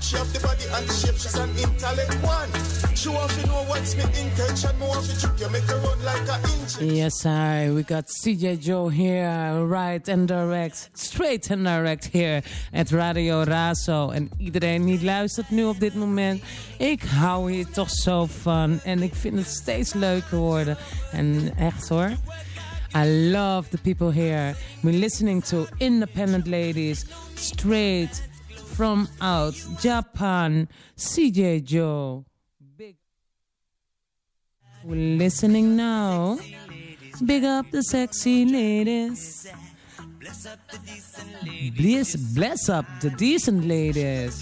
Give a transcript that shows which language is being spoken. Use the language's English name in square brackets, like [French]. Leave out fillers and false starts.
[English] She have the body and the shape, she's an intellect one. She want to know what's my intention. More of a trick, you make her run like an engine. Yes, I. We got CJ Joe here, right and direct, straight and direct here at Radio Razo. [Dutch] En iedereen die luistert nu op dit moment, ik hou hier toch zo van. En ik vind het steeds leuker worden. En echt hoor. [English] I love the people here. We're listening to independent ladies straight from out Japan. CJ Joe. Big. We're listening now. Big up the sexy ladies. Bless up the decent ladies.